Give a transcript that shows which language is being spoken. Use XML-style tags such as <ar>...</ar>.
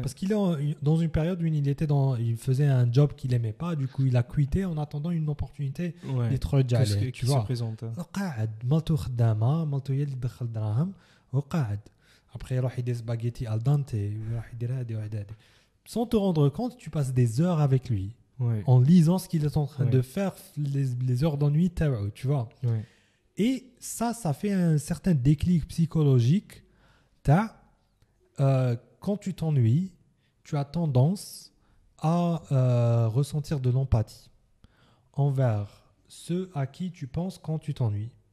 <fr>Parce qu'il est dans une période où il faisait un job qu'il aimait pas, du coup il a quitté en attendant une opportunité ouais. D'être djalé, tu vois. Se présente</fr> <ar>وقعد مالتو خدامه مالتو يلي دخل دراهم وقعد</ar> <fr>après</fr> <ar>يروح يدي سباغيتي al dente يروح يدير هذه وهذه.</ar> <fr>Sans te rendre compte, tu passes des heures avec lui ouais. En lisant ce qu'il est en train ouais. De faire, les heures d'ennui, tu vois. Ouais. Et ça fait un certain déclic psychologique. Quand tu t'ennuies, tu as tendance à ressentir de l'empathie envers ceux à qui tu penses quand tu t'ennuies.</fr>